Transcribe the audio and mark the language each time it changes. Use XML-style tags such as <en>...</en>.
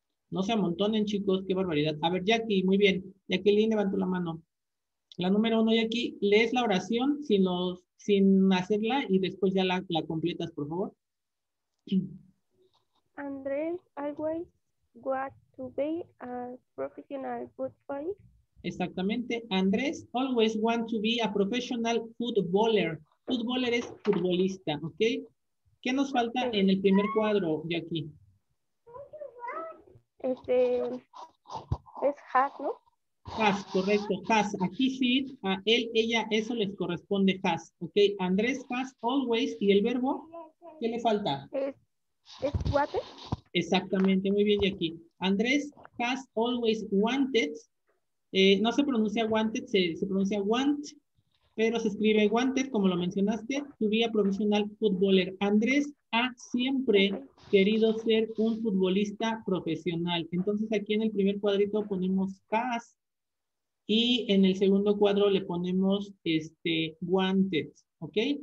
<es>No se amontonen, chicos, qué barbaridad. A ver, Jackie, muy bien. Jacqueline levantó la mano. La número 1, Jackie, lees la oración sin hacerla y después ya la completas, por favor.</es> <en>André, always want to be a professional footballer.</en> <es>Exactamente.</es> <en>Andrés, always want to be a professional footballer.</en> <es>Footballer es futbolista, ¿ok? ¿Qué nos falta en el primer cuadro, Jackie? Es hat, ¿no? Has, correcto, has. Aquí sí, a él, ella, eso les corresponde, has. Ok, Andrés, has, always. ¿Y el verbo? ¿Qué le falta? Es water. Exactamente, muy bien, y aquí.</es> <en>Andrés, has, always wanted.</en> <es>No se pronuncia wanted, se pronuncia want, pero se escribe wanted, como lo mencionaste, tu vida profesional futboler. Andrés ha siempre querido ser un futbolista profesional. Entonces, aquí en el primer cuadrito ponemos has. Y en el segundo cuadro le ponemos wanted, ¿ok?</es>